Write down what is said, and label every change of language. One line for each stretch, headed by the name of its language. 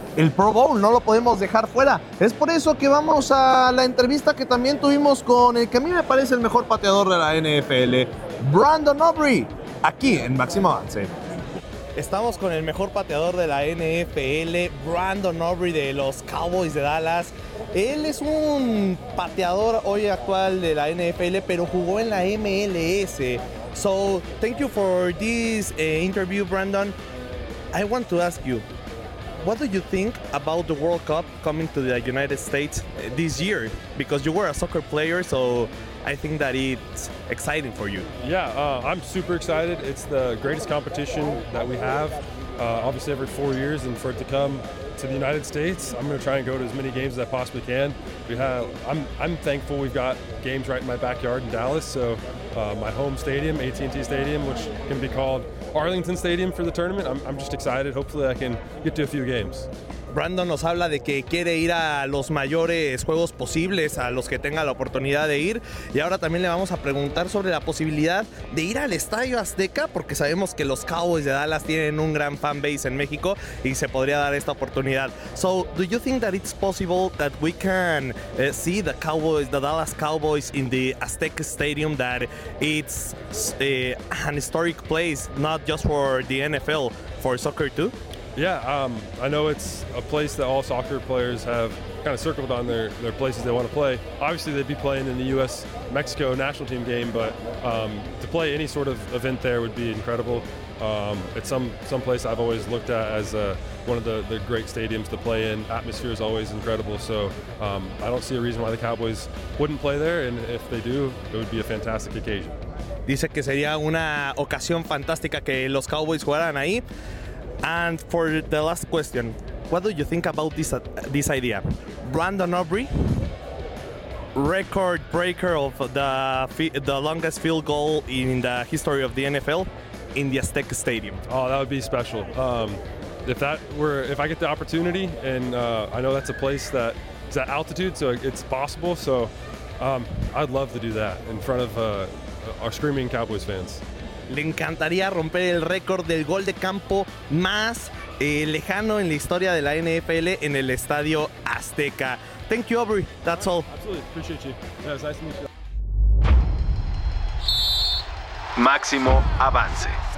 Spanish: El Pro Bowl, no lo podemos dejar fuera. Es por eso que vamos a la entrevista que también tuvimos con el que a mí me parece el mejor pateador de la NFL, Brandon Aubrey, aquí en Máximo Avance. Estamos con el mejor pateador de la NFL, Brandon Aubrey de los Cowboys de Dallas. Él es un pateador hoy actual de la NFL, pero jugó en la MLS.
English: So, thank you for this interview, Brandon. I want to ask you, what do you think about the World Cup coming to the United States this year? Because you were a soccer player, so I think that it's exciting for you. Yeah, I'm super excited. It's the greatest competition that we have, obviously every 4 years, and for it to come to the United States. I'm going to try and go to as many games as I possibly can. We have, I'm thankful we've got games right in my backyard in Dallas. So my home stadium, AT&T Stadium, which can be called Arlington Stadium for the tournament. I'm just excited. Hopefully I can get to a few games.
Spanish: Brandon nos habla de que quiere ir a los mayores juegos posibles, a los que tenga la oportunidad de ir. Y ahora también le vamos a preguntar sobre la posibilidad de ir al Estadio Azteca, porque sabemos que los Cowboys de Dallas tienen un gran fan base en México y se podría dar esta oportunidad.
English: So, do you think that it's possible that we can see the Cowboys, the Dallas Cowboys in the Azteca Stadium, that it's an historic place, not just for the NFL, for soccer too? Yeah, I know it's a place that all soccer players have kind of circled on their places they want to play. Obviously, they'd be playing in the U.S.-Mexico national team game, but to play any sort of event there would be incredible. It's some place I've always looked at as one of the great stadiums to play in. Atmosphere is always incredible, so I don't see a reason why the Cowboys wouldn't play there, and if they do, it would be a fantastic occasion.
Spanish: Dice que sería una ocasión fantástica que los Cowboys jugaran ahí.
English: And for the last question, what do you think about this idea? Brandon Aubrey, record breaker of the longest field goal in the history of the NFL in the Azteca Stadium. Oh, that would be special. If I get the opportunity, and I know that's a place that is at altitude, so it's possible. So I'd love to do that in front of our screaming Cowboys fans.
Spanish: Le encantaría romper el récord del gol de campo más lejano en la historia de la NFL en el Estadio Azteca.
English: Thank you, Aubrey. That's all. Absolutely. Appreciate you. Yeah, it's nice to meet you.
Spanish: Máximo avance.